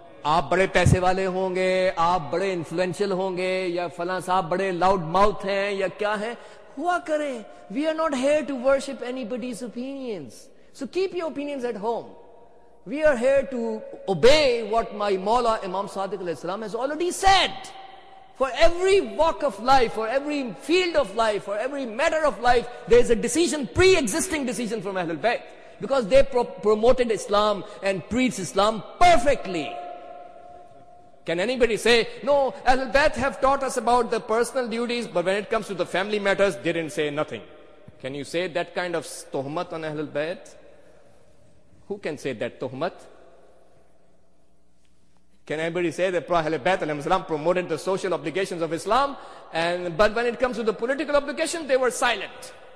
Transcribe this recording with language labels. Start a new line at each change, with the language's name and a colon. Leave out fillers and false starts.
Urdu: آپ بڑے پیسے والے ہوں گے, آپ بڑے انفلوئنشل ہوں گے, یا فلاں صاحب بڑے لاؤڈ ماؤتھ ہیں, یا کیا ہیں, ہوا کریں.
English: We are not here to worship anybody's opinions, so keep your opinions at home. We are here to obey what my مولا امام صادق علیہ السلام has already said. For every walk of life, for every field of life, for every matter of life, there is a decision, pre existing decision from اہل البیت, because they promoted Islam and preach Islam perfectly. Can anybody say, no, Ahlul Bayt have taught us about the personal duties, but when it comes to the family matters, they didn't say nothing. Can you say that kind of tuhmat on Ahlul Bayt? Who can say that tuhmat? Can anybody say that Ahlul Bayt alayhi salam promoted the social obligations of Islam, but when it comes to the political obligations, they were silent?